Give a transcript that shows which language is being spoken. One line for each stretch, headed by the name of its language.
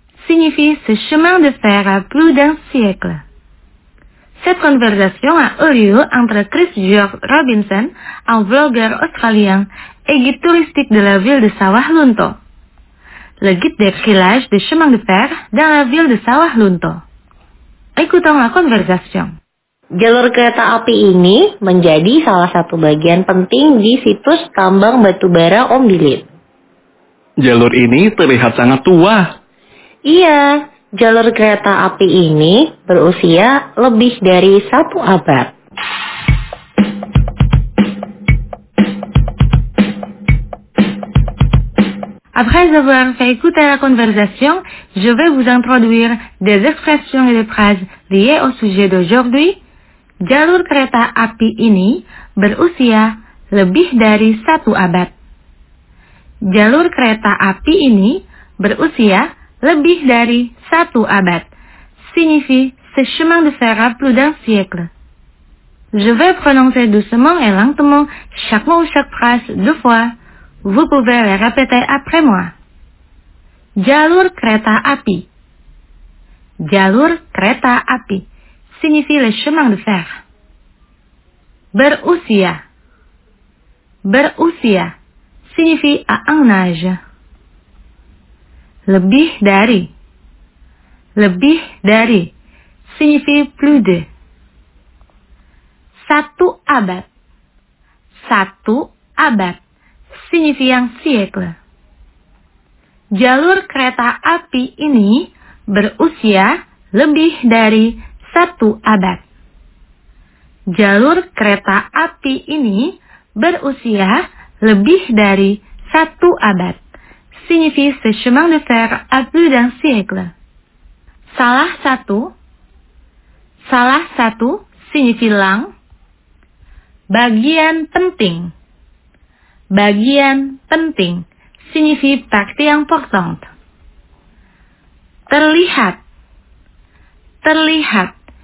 French: Signifie ce chemin de fer a plus d'un siècle. Cette conversation a eu lieu entre Chris George Robinson, un vlogger australien et guide touristique de la ville de Sawah Lunto. Le guide décrit l'âge du chemin de fer dans la ville de Sawah Lunto. Écoutons la conversation.
Indonesian: Jalur kereta api ini menjadi salah satu bagian penting di situs tambang batubara Om Bilit. Jalur ini terlihat sangat tua. Iya, jalur kereta api ini berusia lebih dari satu abad.
French: Après avoir fait écouter la conversation, je vais vous introduire des expressions et des phrases liées au sujet d'aujourd'hui.
Indonesian: Jalur kereta api ini berusia lebih dari satu abad. Jalur kereta api ini berusia lebih dari satu abad.
French: Signifie ce chemin de fer a plus d'un siècle. Je vais prononcer doucement et lentement chaque mot ou chaque phrase deux fois. Vous pouvez les répéter après moi.
Indonesian: Jalur kereta api. Jalur kereta api.
French: Signifie le chemin de fer.
Indonesian: Berusia. Berusia.
French: Signifie à un âge.
Indonesian: Lebih dari. Lebih dari.
French: Signifie plus de.
Indonesian: Satu abad. Satu abad.
French: Signifie un siècle.
Indonesian: Jalur kereta api ini berusia lebih dari satu abad. Jalur kereta api ini berusia lebih dari satu abad.
French: Signifie ce chemin de fer a plus d'un siècle.
Indonesian: Salah satu. Salah satu
French: signifie lang.
Indonesian: Bagian penting. Bagian penting
French: signifie partie importante.
Indonesian: Terlihat. Terlihat.